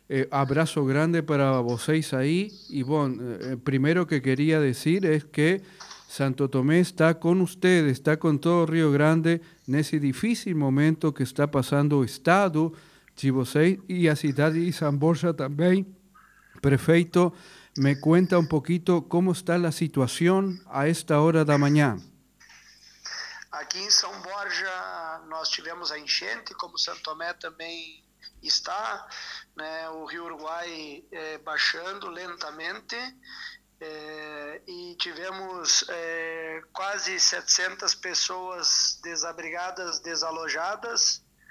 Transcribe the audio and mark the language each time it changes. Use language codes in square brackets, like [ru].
[es] Abrazo grande para vocês ahí. Y bueno, primero que quería decir es que Santo Tomé está con ustedes, está con todo Río Grande en ese difícil momento que está pasando el Estado de vocês y a ciudad de San Borja también. Prefeito, me cuenta un poquito cómo está la situación a esta hora de la mañana. Aquí en [pt] San Borja nós tivemos a enchente, como Santo Tomé [es] también está, [pt] né, o Rio Uruguai baixando lentamente, e tivemos quase 700 pessoas desabrigadas, desalojadas,